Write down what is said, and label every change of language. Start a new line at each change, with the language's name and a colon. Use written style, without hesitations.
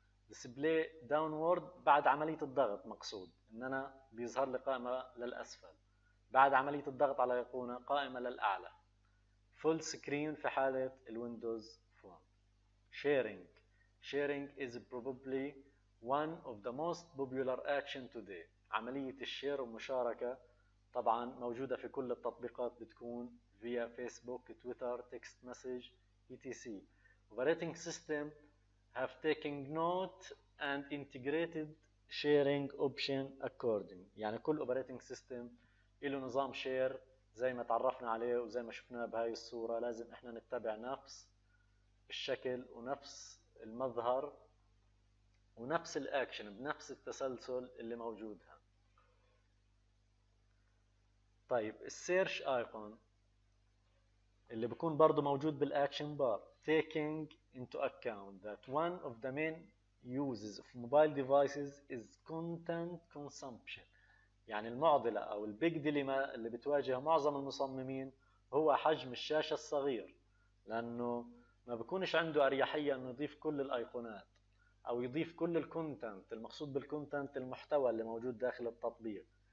English: Display downward
Arabic: بعد عملية الضغط، مقصود إن أنا بيظهر لي قائمة للأسفل، بعد عملية الضغط على أيقونة قائمة للأعلى، full screen في حالة الويندوز فون.
English: Sharing is probably one of the most popular action today.
Arabic: عملية الشير ومشاركة طبعا موجودة في كل التطبيقات بتكون
English: via Facebook, Twitter, text message, etc. Operating system have taken note and integrated sharing option according.
Arabic: يعني كل operating system له نظام شير زي ما تعرفنا عليه وزي ما شفناه بهاي الصورة، لازم احنا نتبع نفس الشكل ونفس المظهر ونفس الاكشن بنفس التسلسل اللي موجودها. طيب السيرش ايكون اللي بيكون برضو موجود بالاكشن بار،
English: taking into account that one of the main uses of mobile devices is content consumption.
Arabic: يعني المعضلة او البيج ديليما اللي بتواجه معظم المصممين هو حجم الشاشة الصغير، لانه ما بيكونش عنده اريحية انه يضيف كل الايقونات او يضيف كل الكونتنت، المقصود بالكونتنت المحتوى اللي موجود داخل التطبيق.